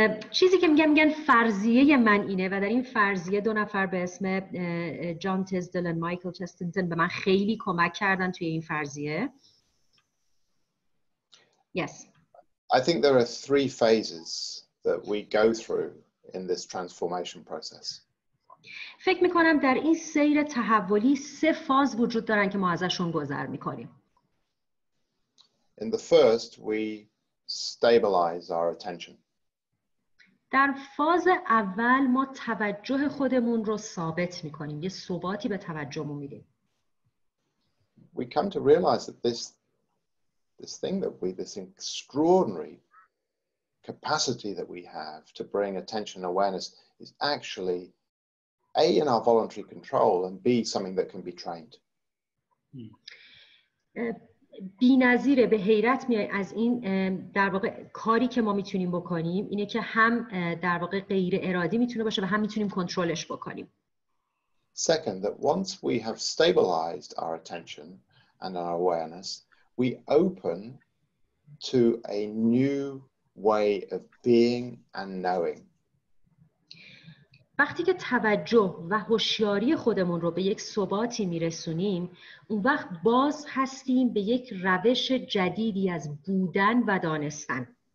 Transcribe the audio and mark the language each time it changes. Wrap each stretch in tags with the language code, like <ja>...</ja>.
<fa>چیزی که میگم فرضیه من اینه و در این فرضیه دو نفر به اسم جان تیزدل و مایکل چستنتن به من خیلی کمک کردن توی این فرضیه.</fa> <en>Yes. I think there are three phases that we go through in this transformation process.</en> <fa>فکر میکنم در این سیر تحولی سه فاز وجود دارن که ما ازشون گذر میکنیم.</fa> <en>In the first, we stabilize our attention.</en> <fa>در فاز اول ما توجه خودمون رو ثابت می‌کنیم. یه ثباتی به توجهمون میدیم.</fa> <en>We come to realize that this thing that we this extraordinary capacity that we have to bring attention awareness is actually A in our voluntary control and B something that can be trained.</en> <fa>بی نظیره به حیرت میای از این در واقع کاری که ما میتونیم بکنیم اینه که هم در واقع غیر ارادی میتونه باشه و هم میتونیم کنترلش بکنیم.</fa> <en>Second, that once we have stabilized our attention and our awareness, we open to a new way of being and knowing.</en> <fa>وقتی که توجه و هوشیاری خودمون رو به یک ثباتی میرسونیم اون وقت باز هستیم به یک روش جدیدی از بودن و دانستن.</fa>